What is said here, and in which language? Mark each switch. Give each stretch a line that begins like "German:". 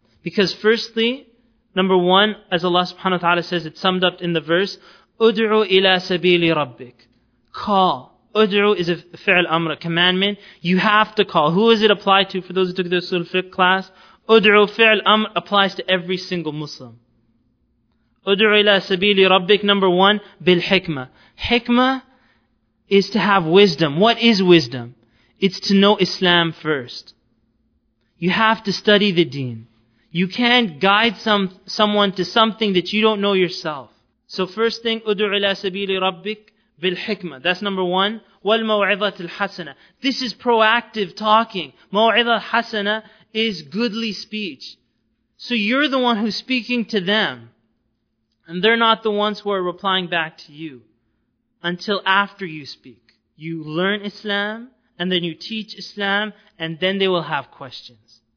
English: Because firstly, number one, as Allah subhanahu wa ta'ala says, it's summed up in the verse,
Arabic: أُدْعُوا إِلَىٰ سَبِيلِ رَبِّكَ.
English: Call. أُدْعُوا is a fi'l amr, a commandment. You have to call. Who is it applied to? For those who took the usul fiqh class, أُدْعُوا fi'l amr applies to every single Muslim.
Arabic: أُدْعُوا إِلَىٰ سَبِيلِ رَبِّكَ,
English: number one,
Arabic: بِالْحِكْمَةِ.
English: Hikmah is to have wisdom. What is wisdom? It's to know Islam first. You have to study the deen. You can't guide someone to something that you don't know yourself. So first thing,
Arabic: أُدْعُوا إِلَىٰ سَبِيلِ رَبِّكَ بِالْحِكْمَةِ.
English: That's number one.
Arabic: وَالْمَوْعِظَةِ الْحَسَنَةِ.
English: This is proactive talking.
Arabic: مَوْعِظَةِ الْحَسَنَةِ
English: is goodly speech. So you're the one who's speaking to them. And they're not the ones who are replying back to you. Until after you speak. You learn Islam, and then you teach Islam, and then they will have questions.